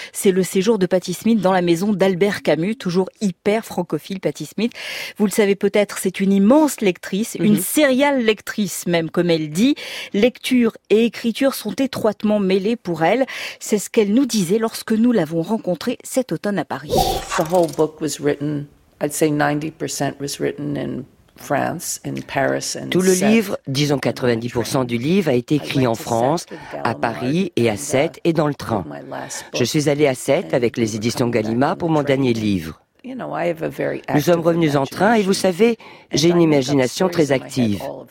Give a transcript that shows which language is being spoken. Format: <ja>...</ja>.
<fr>C'est le séjour de Patti Smith dans la maison d'Albert Camus, toujours hyper francophile, Patti Smith. Vous le savez peut-être, c'est une immense lectrice, une sériale lectrice même, comme elle dit. Lecture et écriture sont étroitement mêlées pour elle. C'est ce qu'elle nous disait lorsque nous l'avons rencontrée cet automne à Paris.</fr> <en>The whole book was written, I'd say 90% was written in France, in Paris, and</en> <fr>tout le livre, disons 90% du livre, a été écrit en France, à Paris et à Sète et dans le train. Je suis allée à Sète avec les éditions Gallimard pour mon dernier livre. Nous sommes revenus en train et vous savez, j'ai une imagination très active.</fr>